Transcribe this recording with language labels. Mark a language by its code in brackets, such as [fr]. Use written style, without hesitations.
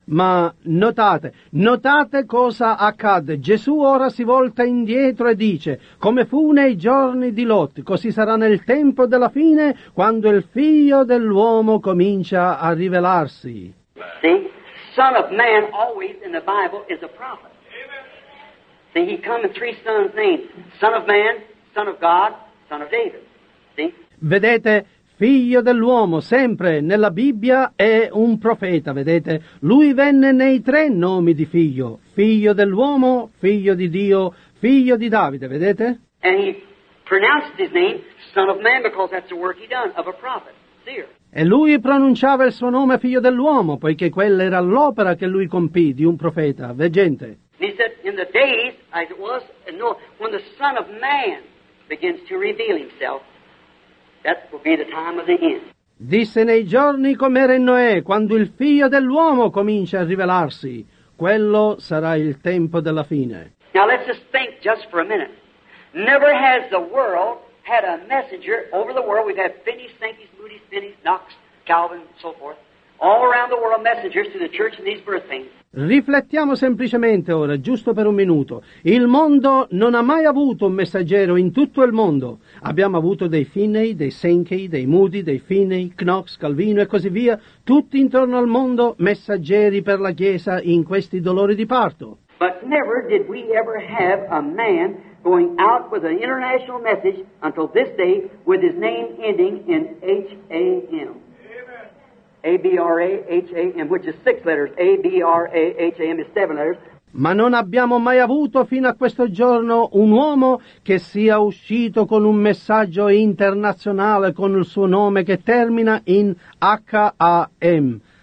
[it] Ma notate, notate cosa accadde. Gesù ora si volta indietro e dice, come fu nei giorni di Lot, così sarà nel tempo della fine quando il Figlio dell'uomo comincia a rivelarsi. [en] See, Son of Man always in the Bible is a prophet. See, he come in three sons' names. Son of Man, Son of God, Son of David. See? [it] Vedete, Figlio dell'uomo, sempre nella Bibbia è un profeta, vedete? Lui venne nei tre nomi di figlio. Figlio dell'uomo, Figlio di Dio, Figlio di Davide, vedete? [en] And he pronounced his name, Son of Man, because that's the work he done, of a prophet, seer. [it] E lui pronunciava il suo nome Figlio dell'uomo, poiché quella era l'opera che lui compì di un profeta, veggente. [en] And he said, in the days, as it was, no, when the Son of Man begins to reveal himself, that will be the time of the end. [it] Disse nei giorni com'era in Noè, quando il Figlio dell'uomo comincia a rivelarsi, quello sarà il tempo della fine. [en] Now let's just think just for a minute. Never has the world had a messenger over the world. We've had Finney's, Sankey's, Moody's, Finney's, Knox, Calvin, so forth, all around the world messengers to the church in these birth pains. [it] Riflettiamo semplicemente ora, giusto per un minuto. Il mondo non ha mai avuto un messaggero in tutto il mondo. Abbiamo avuto dei Finney, dei Sankey, dei Moody, dei Finney, Knox, Calvino e così via, tutti intorno al mondo messaggeri per la Chiesa in questi dolori di parto. [en] But never did we ever have a man going out with an international message until this day with his name ending in H-A-M. A-B-R-A-H-A-M, which is six letters. A-B-R-A-H-A-M is seven letters. [it] Ma non abbiamo mai avuto fino a questo giorno un uomo che sia uscito con un messaggio internazionale con il suo nome che termina in H-A-M.